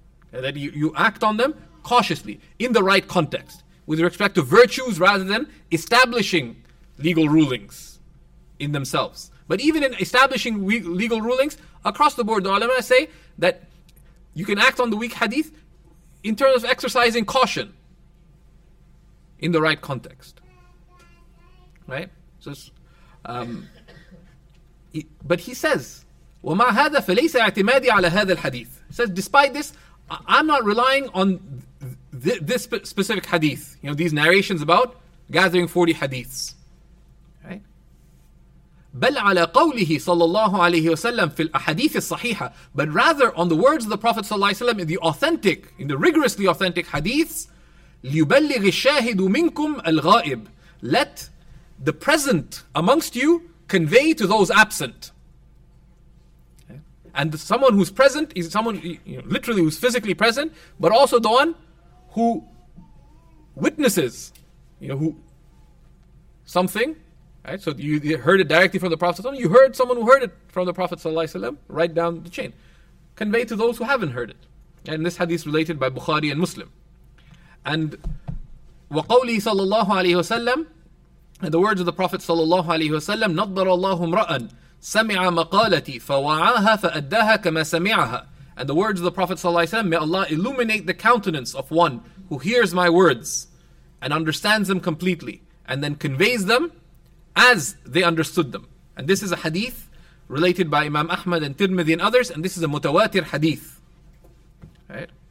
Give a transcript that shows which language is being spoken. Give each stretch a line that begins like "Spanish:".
English: That you act on them cautiously, in the right context, with respect to virtues rather than establishing legal rulings in themselves. But even in establishing legal rulings, across the board, the ulama say that you can act on the weak hadith in terms of exercising caution in the right context. Right? So, but he says,
Arabic: وَمَا هَذَا فَلَيْسَ اَعْتِمَادِي عَلَى هَذَا الْحَدِيثِ.
English: He says, despite this, I'm not relying on this specific hadith, you know, these narrations about gathering 40 hadiths.
Arabic: بل على قوله صلى الله عليه وسلم في الأحاديث الصحيحة.
English: But rather on the words of the Prophet صلى الله عليه وسلم in the rigorously authentic hadiths,
Arabic: ليبلغ الشاهد منكم الغائب.
English: Let the present amongst you convey to those absent. And someone who's present is someone, you know, literally who's physically present, but also the one who witnesses, you know, who something, right? So you heard it directly from the Prophet. You heard someone who heard it from the Prophet ﷺ, right down the chain. Convey to those who haven't heard it. And this hadith is related by Bukhari and Muslim. And
Arabic: وَقَوْلِهِ صَلَّى اللَّهُ عَلَيْهِ وَسَلَّمَ.
English: And the words of the Prophet
Arabic: صلى الله عليه وسلم, نَضَّرَ اللَّهُ امْرَأً سَمِعَ مَقَالَتِي فَوَعَاهَا فَأَدَّاهَا كَمَا سَمِعَهَا.
English: And the words of the Prophet ﷺ, may Allah illuminate the countenance of one who hears my words and understands them completely and then conveys them as they understood them. And this is a hadith related by Imam Ahmad and Tirmidhi and others, and this is a mutawatir hadith. Right?